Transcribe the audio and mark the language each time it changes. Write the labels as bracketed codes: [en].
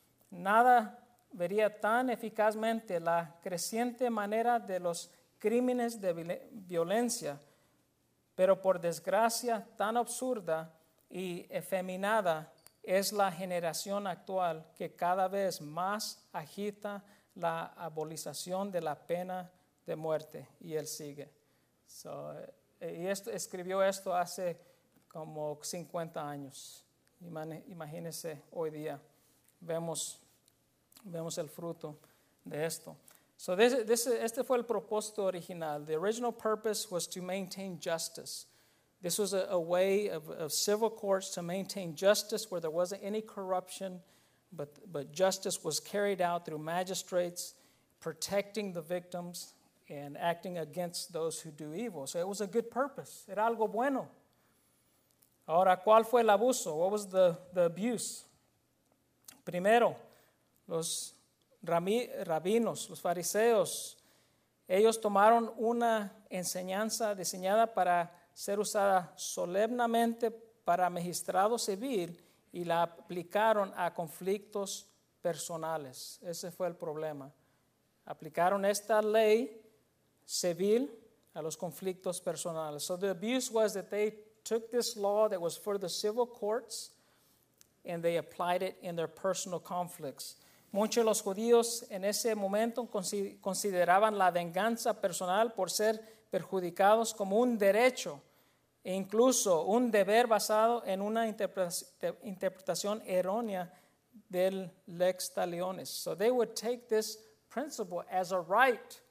[es] Nada vería tan eficazmente la creciente manera de los crímenes de violencia, pero por desgracia tan absurda y efeminada es la generación actual que cada vez más agita la abolición de la pena de muerte. Y él sigue. So, y esto, escribió esto hace como 50 años. Imagínense hoy día. Vemos el fruto de esto. So este fue el propósito original. [en] The original purpose was to maintain justice. This was a way of civil courts to maintain justice where there wasn't any corruption, but justice was carried out through magistrates protecting the victims and acting against those who do evil. So it was a good purpose. [es] Era algo bueno. Ahora, ¿cuál fue el abuso? [en] What was the abuse? [es] Primero, los rabinos, los fariseos, ellos tomaron una enseñanza diseñada para ser usada solemnemente para magistrado civil y la aplicaron a conflictos personales. Ese fue el problema. Aplicaron esta ley civil a los conflictos personales. [en] So the abuse was that they took this law that was for the civil courts and they applied it in their personal conflicts. [es] Muchos de los judíos en ese momento consideraban la venganza personal por ser perjudicados como un derecho e incluso un deber basado en una interpretación errónea del Lex Talionis. [en] So they would take this principle as a right.